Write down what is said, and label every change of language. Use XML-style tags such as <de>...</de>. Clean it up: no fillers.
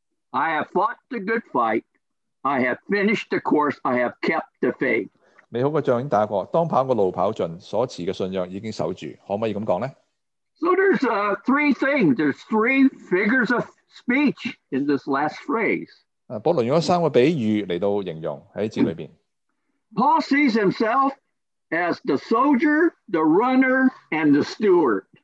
<en>I have fought the good fight. I have finished the course. I have kept the faith.</en> <yue>美好嘅仗已經打過，當跑嘅路跑盡，所持嘅信仰已經守住。可唔可以咁講咧？</yue> <en>So there's three things. There's three figures of speech in this last phrase.</en> <yue>保羅用咗三個比喻嚟到形容喺字裏邊。</yue> <en>Paul sees himself as the soldier, the runner, and the steward.</en>